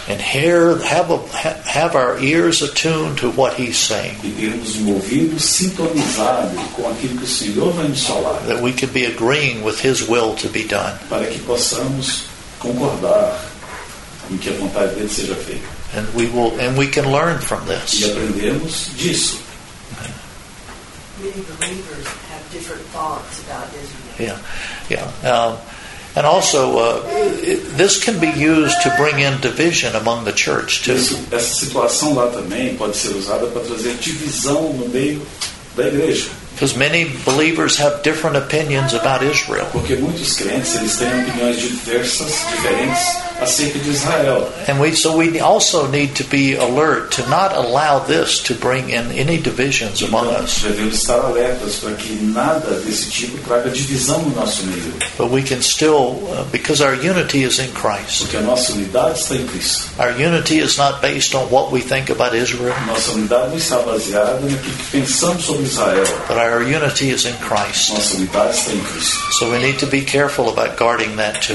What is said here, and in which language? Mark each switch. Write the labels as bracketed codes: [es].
[en] And hear, have our ears attuned to what He's saying. [pt] E termos um ouvido sintonizado com aquilo que o Senhor vai nos falar. [en] That we could be agreeing with His will to be done. [pt] Para que possamos concordar em que a vontade dele seja feita. [en] And we will, and we can learn from this. [pt] E aprendemos disso. [en] Many believers have different thoughts about Israel. And also, this can be used to bring in division among the church too. [pt] Essa situação lá também pode ser usada para trazer divisão no meio da igreja. [en] Because many believers have different opinions about Israel. [pt] Porque muitos crentes, eles têm opiniões diferentes acerca de Israel. [en] And we also need to be alert to not allow this to bring in any divisions [pt] então, [en] among us. [pt] Devemos estar alertas para que nada desse tipo traga divisão no nosso meio. [en] But we can still, because our unity is in Christ. [pt] Porque a nossa unidade está em Cristo. [en] Our unity is not based on what we think about Israel. [pt] Nossa unidade não está baseada no que pensamos sobre Israel. [en] But our unity is in Christ. [pt] Nossa unidade está em Cristo. [en] So we need to be careful about guarding that too.